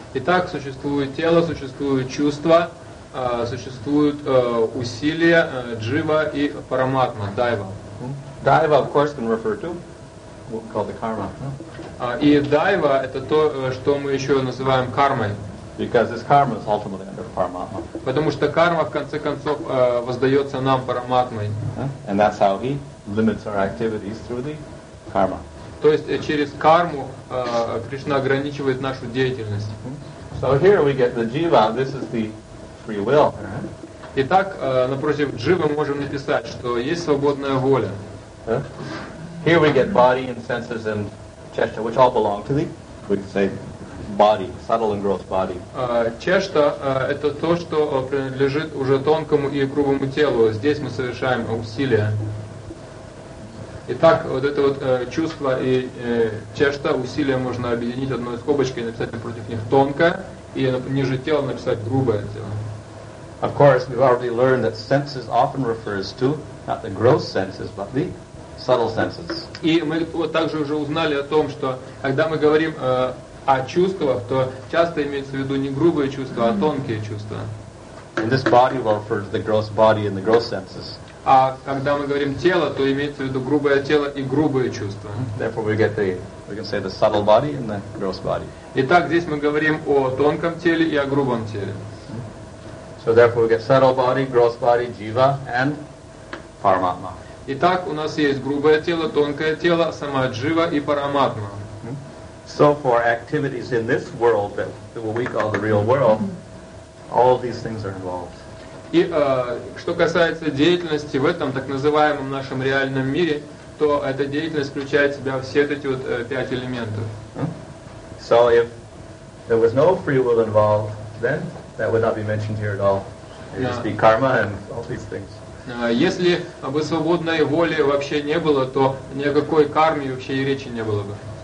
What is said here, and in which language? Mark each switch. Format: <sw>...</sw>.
<ru>Итак, существует тело, существует чувство, существуют усилия джива и параматма, дайва.</ru> <en>Дайва, of course, can refer to what's called the karma.</en> <ru>И дайва — это то, что мы еще называем кармой.</ru> <en>Because this karma is ultimately under paramatma.</en> <ru>Потому что карма, в конце концов, воздается нам параматмой.</ru> <en>And that's how he limits our activities through the karma.</en> <ru>То есть через карму Кришна ограничивает нашу деятельность.</ru> <en>So here we get the jiva, this is the free will.</en> <ru>Итак, напротив дживы можем написать, что есть свободная воля.</ru> <en>Here we get body and senses and cheshta, which all belong to the, we could say, body, subtle and gross body.</en> <ru>Чешта — это то, что принадлежит уже тонкому и грубому телу. Здесь мы совершаем усилия. Итак, вот это вот чувство и чешта, усилия можно объединить одной скобочкой и написать напротив них тонкое, и ниже тела написать грубое тело.</ru> <en>Of course, we've already learned that senses often refers to not the gross senses, but the subtle senses.</en> <ru>И мы вот также уже узнали о том, что когда мы говорим о чувствах, то часто имеется в виду не грубые чувства, а тонкие чувства.</ru> <en>And this body will refer to the gross body and the gross senses.</en> <ru>А когда мы говорим тело, то имеется в виду грубое тело и грубые чувства.</ru> <en>Therefore we get the, we can say the subtle body and the gross body.</en> <ru>Итак, здесь мы говорим о тонком теле и о грубом теле.</ru> <en>So therefore we get subtle body, gross body, jiva and paramatma.</en> <ru>Итак, у нас есть грубое тело, тонкое тело, сама джива и параматма.</ru> <en>So for activities in this world, that what we call the real world, all of these things are involved.</en> <ru>И что касается деятельности в этом так называемом нашем реальном мире, то эта деятельность включает в себя все эти вот пять элементов.</ru> <en>So if there was no free will involved, then that would not be mentioned here at all. It would just be karma and all these things.</en> <ru>Если бы свободной воли вообще не было, то ни о какой карме вообще и речи не было бы.</ru>